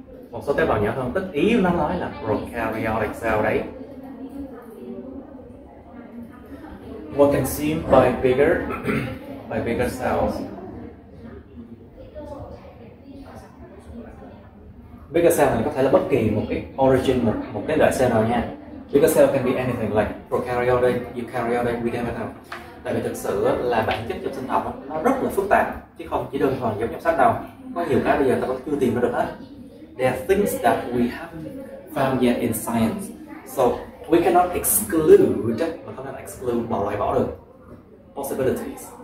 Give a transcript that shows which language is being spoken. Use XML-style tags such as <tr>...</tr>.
<vi>Một số tế bào nhỏ hơn, tức ý nó nói là prokaryotic cell đấy.</vi> <en>were consumed by bigger cells. Bigger cell</en> <vi>này có thể là bất kỳ một cái origin, một cái loại cell nào nha.</vi> <en>Bigger cell can be anything like prokaryotic, eukaryotic, we don't know.</en> <vi>Tại vì thực sự là bản chất trong sinh học nó rất là phức tạp, chứ không chỉ đơn thuần giống trong sách đâu. Có nhiều cái bây giờ ta vẫn chưa tìm ra được hết.</vi> <en>There are things that we haven't found yet in science, so we cannot exclude,</en> <vi>mà không thể exclude, bỏ loại bỏ được possibilities.</vi>